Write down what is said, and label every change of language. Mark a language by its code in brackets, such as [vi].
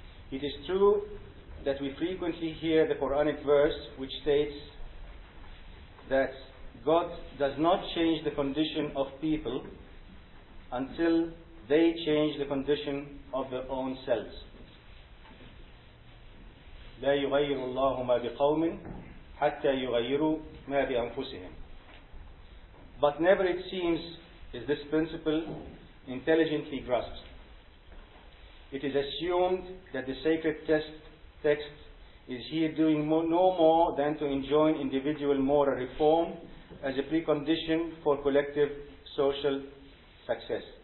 [en] It is true that we frequently hear the Quranic verse which states that God does not change the condition of people until they change the condition of their own selves. [ar] لا يغير الله ما بقوم حتى يغيروا ما بأنفسهم. [en] But never, it seems, is this principle intelligently grasped. It is assumed that the sacred text is here doing no more than to enjoin individual moral reform as a precondition for collective social success.